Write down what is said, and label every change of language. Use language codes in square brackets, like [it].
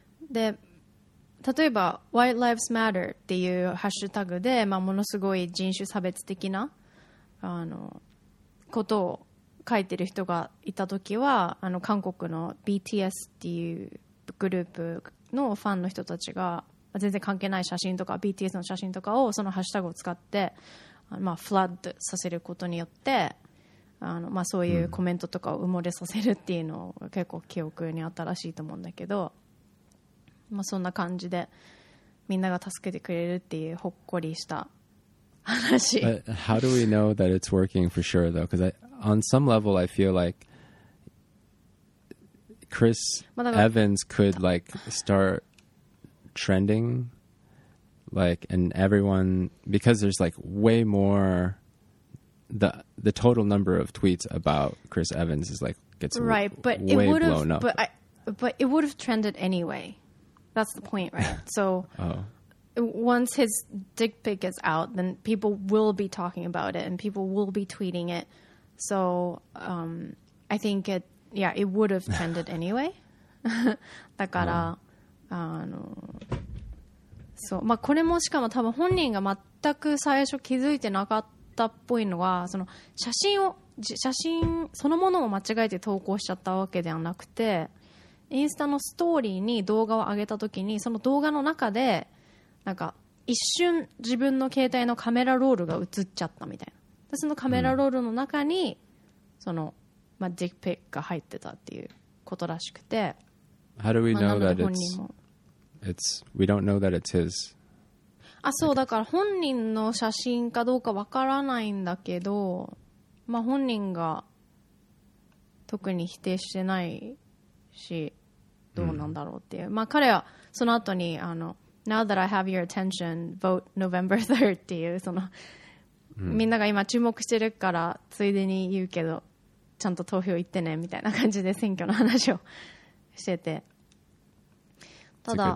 [ja] で例えば White Lives Matter っていうハッシュタグで、まあ、ものすごい人種差別的なことを書いてる人がいたときは韓国の BTS っていうグループのファンの人たちが全然関係ない写真とか BTS の写真とかをそのハッシュタグを使って、まあ、フラッドさせることによってまあ、そういうコメントとかを埋もれさせるっていうのが結構記憶に新しいと思うんだけど、まあ、そんな感じでみんなが助けてくれるっていうほっこりした話。 [en] But how do we know that it's working for sure though? Because on some level I feel like Chris Evans could like start trending like and everyone because there's like way more the total number of tweets about Chris Evans is like gets right, but way it blown up. But it would have trended anyway. That's the point, right? So once his dick pic is out, then people will be talking about it and people will be tweeting it. So I think it, yeah, it would have trended anyway. [ja] だから、そう、まあこれもしかも多分本人が全く最初気づいてなかったっぽいのは、その写真そのものを間違えて投稿しちゃったわけではなくて、インスタのストーリーに動画を上げたときに、その動画の中でなんか一瞬自分の携帯のカメラロールが映っちゃったみたいな。でそのカメラロールの中にその、まあ、ディックピックが入ってたっていうことらしくて、 [en] How do we know that it's we don't know that it's his? [ja] あ、そうだから本人の写真かどうかわからないんだけど、まあ本人が特に否定してないし、どうなんだろうっていう。まあ彼はその後に [en] Now that I have your attention, vote November 3rd [ja] っていうその、みんなが今注目してるからついでに言うけどちゃんと投票行ってねみたいな感じで選挙の話をしてて、ただ、